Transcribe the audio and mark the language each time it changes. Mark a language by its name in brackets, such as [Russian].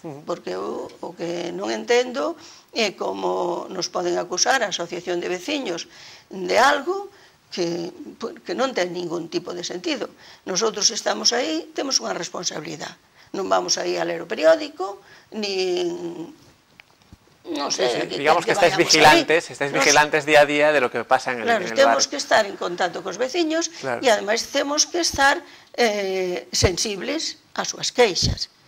[Galician] Porque o que non entendo é como nos poden acusar a Asociación de Veciños de algo que non ten ningún tipo de sentido. Nosotros estamos aí, temos unha responsabilidade. Non vamos aí a ler o periódico, nin... [Spanish] Digamos que estáis vigilantes, día a día de lo que pasa en el barrio. [Galician] Claro, temos que estar en contacto cos veciños e ademais temos que estar sensibles ás súas queixas.